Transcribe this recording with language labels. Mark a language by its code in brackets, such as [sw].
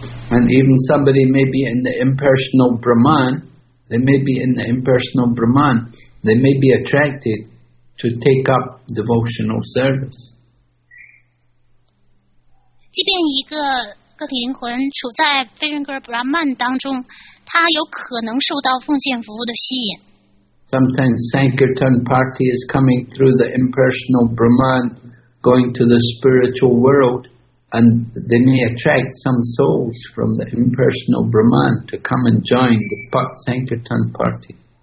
[en] And even somebody may be in the impersonal Brahman, they may be in the impersonal Brahman, they may be attracted to take up devotional service. [zh] 即便一个个体灵魂处在非人格 Brahman 当中，他有可能受到奉献服务的吸引。 [en] Sometimes Sankirtan party is coming through the impersonal Brahman, going to the spiritual world, and they may attract some souls from the impersonal Brahman to come and join the Sankirtan party.